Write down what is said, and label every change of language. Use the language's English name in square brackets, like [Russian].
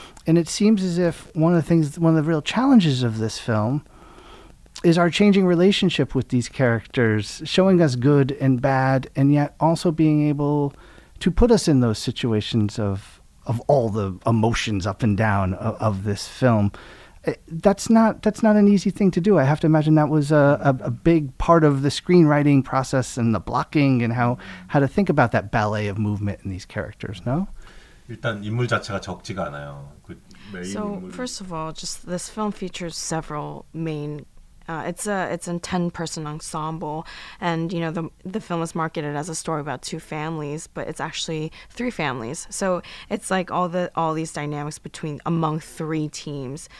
[English] And it seems as if one of the real challenges of this film is our changing relationship with these characters, showing us good and bad, and yet also being able to put us in those situations of all the emotions up and down of this film. That's not an easy thing to do. I have to imagine that was a big part of the screenwriting process and the blocking and how to think about that ballet of movement in these characters, no? [Korean] 일단 인물 자체가 적지가 않아요. 그 메인 [English] So [Korean] 인물. [English] First of all, just this film features several main it's a 10-person ensemble, and you know the film is marketed as a story about two families, but it's actually three families. So it's like all these dynamics among three teams.